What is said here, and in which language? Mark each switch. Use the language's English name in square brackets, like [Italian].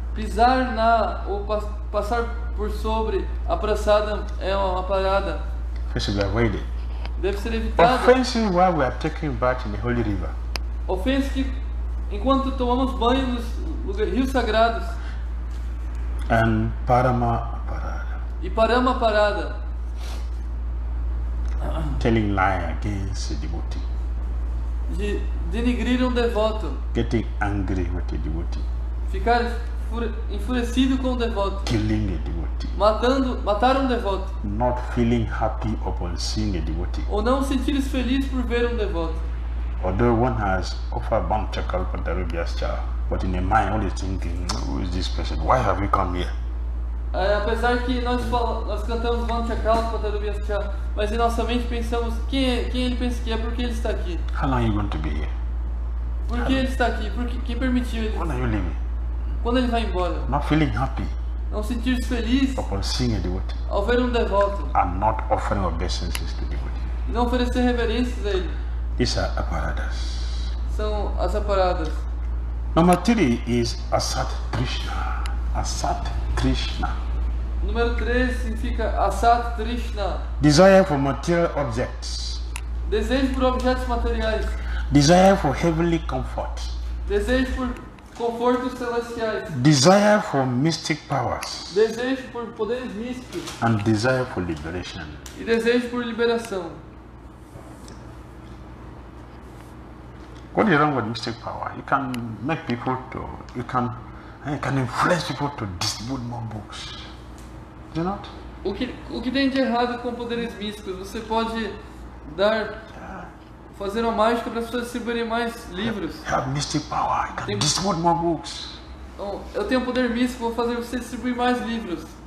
[Portuguese] Pisar na ou passar por sobre a prasadam é uma parada. Deve ser evitado. [English] Offenses while we are taking bath in the holy river. [Portuguese] Ofensas que enquanto tomamos banho nos rios sagrados. [English] And parama parada. [Portuguese] E parama parada. [English] Telling lie against a devotee. [Portuguese] De denigrir um devoto. [English] Getting angry with a devotee. [Portuguese] Ficar enfurecido com o devoto. [English] Killing a devotee. [Portuguese] Matar um devoto. [English] Not feeling happy upon seeing a devotee. [Portuguese] Ou não sentir-se feliz por ver um devoto. [English] Although one has offered bhakti kalpa darubhyascha, but in the mind only thinking, who is this person? Why have you come here? [Portuguese] Apesar que nós cantamos bhakti kalpa darubhyascha, mas em nossa mente pensamos quem ele pensa que é, por que ele está aqui? [English] How long are you going to be here? [Portuguese] Por que ele está aqui? Por que, quem permitiu ele? [English] When are you leaving? [Portuguese] Quando ele vai embora? [English] Not feeling happy. [Portuguese] Não sentir-se feliz. [English] Upon seeing a devotee. [Portuguese] Ao ver um devoto. [English] And not offering obeisances to devotee. [Portuguese] Não oferecer reverências a ele. [English] These are aparadas. [Portuguese] São as aparadas. [English] Number 3 is asat Krishna. Asat Krishna. [Portuguese] Número 3 significa asat Krishna. [English] Desire for material objects. [Portuguese] Desejo por objetos materiais. [English] Desire for heavenly comfort. [Portuguese] Desejo por confortos celestiais. [English] Desire for mystic powers. [Portuguese] Desejo por poderes místicos. [English] And desire for liberation. [Portuguese] E desejo por liberação. [English] What is wrong with mystic power? You can make people to, you can influence people to distribute more books. Is it not? [Portuguese] O que tem de errado com poderes místicos? Você pode dar, fazer uma mágica para as pessoas distribuírem mais livros. [English] You have mystic power. You can distribute more books. [Portuguese] Eu tenho poder místico, vou fazer você distribuir mais livros.